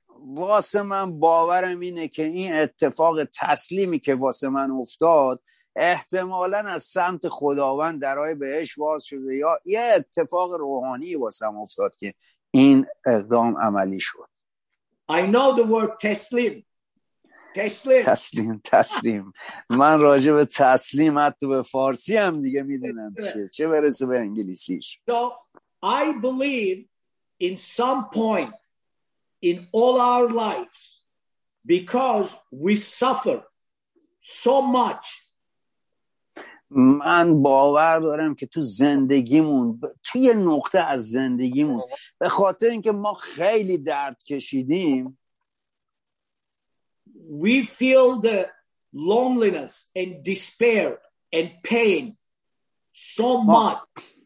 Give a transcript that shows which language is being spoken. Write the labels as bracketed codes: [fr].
[fa] واسه من باورم اینه که این اتفاق تسلیمی که واسه من افتاد احتمالاً از سمت خداوند درای بهش باز شده یا یه اتفاق روحانی واسم افتاد که این اقدام عملی شد. [en] I know the word تسلیم. تسلیم. [fa] تسلیم. تسلیم. من راجع به تسلیم حتی به فارسی هم دیگه میدونم چیه. چه برسه به انگلیسیش. [en] So I believe in some point in all our lives because we suffer so much. [fa] من باور دارم که تو زندگیمون توی یه نقطه از زندگیمون به خاطر اینکه ما خیلی درد کشیدیم [en] we feel the loneliness and despair and pain so much.